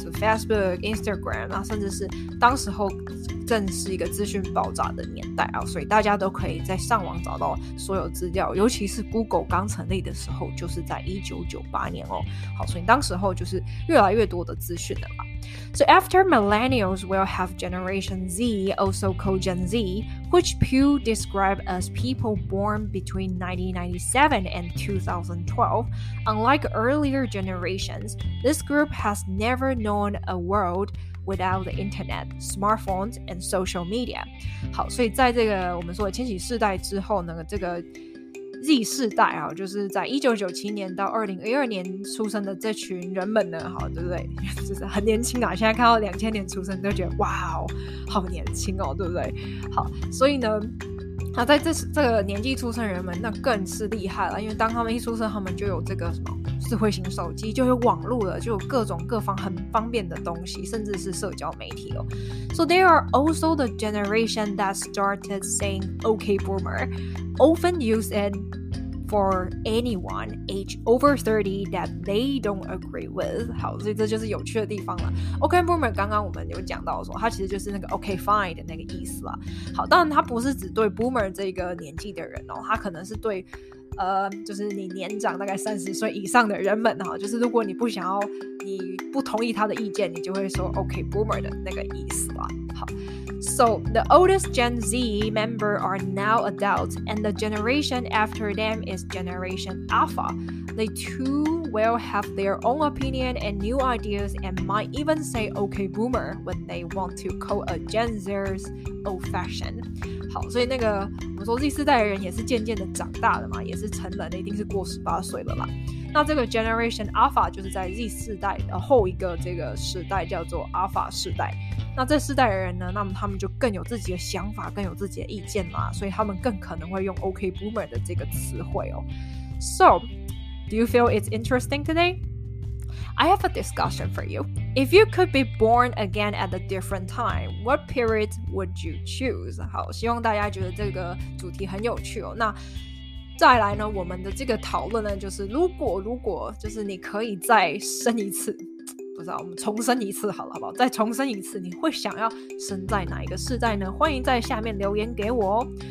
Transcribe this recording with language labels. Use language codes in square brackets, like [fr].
[zh] 就 Facebook、Instagram 啊，甚至是当时候正是一个资讯爆炸的年代啊，所以大家都可以在上网找到所有资料，尤其是 Google 刚成立的时候，就是在1998年哦。好，所以当时候就是越来越多的资讯了嘛。 [en] So after millennials will have Generation Z, also called Gen Z, which Pew described as people born between 1997 and 2012. Unlike earlier generations, this group has never known a world without the internet, smartphones, and social media. [zh] 好，所以在这个我们说的千禧世代之后呢，这个Z 世代啊，就是在1997年到2012年出生的这群人们呢，好，对不对？就是很年轻啊，现在看到2000年出生都觉得哇哦，好年轻哦，对不对？好，所以呢，在这个年纪出生人们，那更是厉害了，因为当他们一出生，他们就有这个什么智慧型手机，就有网络了，就有各种各方很方便的东西，甚至是社交媒体哦。 [en] So they are also the generation that started saying OK Boomer, often used it for anyone age over 30 that they don't agree with. [zh] 好，所以这就是有趣的地方了。OK Boomer 刚刚我们有讲到说，它其实就是那个 OK Fine 的那个意思啦。好，当然它不是只对 Boomer 这个年纪的人哦，它可能是对就是你年长大概30岁以上的人们，就是如果你不想要，你不同意他的意见，你就会说 OK Boomer 的那个意思啦。 [en] 好， So the oldest Gen Z member are now adults, and the generation after them is Generation Alpha. They too will have their own opinion and new ideas and might even say OK Boomer when they want to call a Gen Zers old fashioned. [zh] 好，所以那个我们说 Z 世代的人也是渐渐的长大了嘛，也是成人的，一定是过18岁了啦。那这个 Generation Alpha 就是在 Z 世代的后一个这个时代，叫做 Alpha 世代。那这世代的人呢，那么他们就更有自己的想法，更有自己的意见嘛，所以他们更可能会用 OK Boomer 的这个词汇哦。 [en] So do you feel it's interesting today? I have a discussion for you. If you could be born again at a different time, what period would you choose? [zh] 好，希望大家觉得这个主题很有趣哦。那再来呢，我们的这个讨论呢，就是如果就是你可以再生一次，不知道，我们重生一次好了，好不好？再重生一次，你会想要生在哪一个世代呢？欢迎在下面留言给我哦。